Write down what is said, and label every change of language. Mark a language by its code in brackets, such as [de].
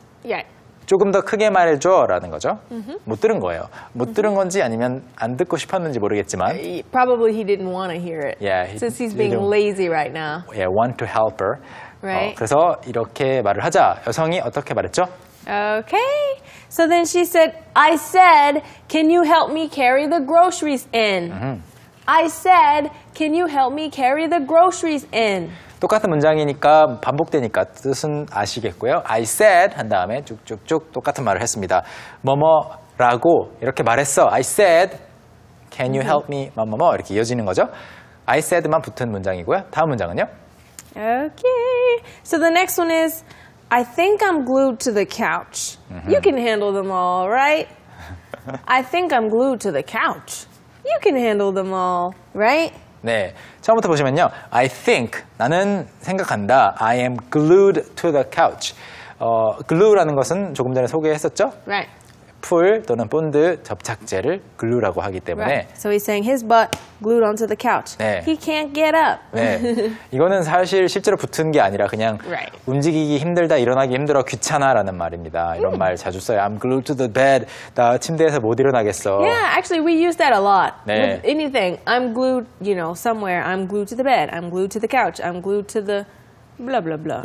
[ko] Yeah. 조금 더 크게 말해줘라는 거죠. Mm-hmm. 못 들은 거예요. 못 mm-hmm. 들은 건지 아니면 안 듣고 싶었는지 모르겠지만. [en] Probably he didn't want to hear it. Yeah. He since he's being lazy right now. Yeah, want to help her. Right. [ko] 그래서 이렇게 말을 하자. 여성이 어떻게 말했죠? Okay. [en] So then she said, I said, can you help me carry the groceries in? Mm-hmm. I said, can you help me carry the groceries in? [ko] 똑같은 문장이니까 반복되니까 뜻은 아시겠고요. [en] I said [ko] 한 다음에 쭉쭉쭉 똑같은 말을 했습니다. 뭐뭐라고 이렇게 말했어. [en] I said, can you help me? [ko] 뭐뭐뭐 이렇게 이어지는 거죠. I said만 붙은 문장이고요. 다음 문장은요? Okay. [en] So the next one is, I think I'm glued to the couch. You can handle them all, right? I think I'm glued to the couch. You can handle them all, right? [ko] 네, 처음부터 보시면요. [en] I think, [ko] 나는 생각한다. [en] I am glued to the couch. [ko] Glue라는 것은 조금 전에 소개했었죠? [en] Right. [ko] 풀 또는 본드, 접착제를 glue라고 하기 때문에. [en] Right. So he's saying his butt glued onto the couch. [ko] 네. [en] He can't get up. [ko] 네. 이거는 사실 실제로 붙은 게 아니라 그냥 [en] right. [ko] 움직이기 힘들다, 일어나기 힘들어, 귀찮아라는 말입니다. 이런 말 자주 써요. [en] I'm glued to the bed. [ko] 나 침대에서 못 일어나겠어. [en] Yeah, actually we use that a lot. [ko] 네. [en] With anything. I'm glued, you know, somewhere. I'm glued to the bed. I'm glued to the couch. I'm glued to the... blah blah blah.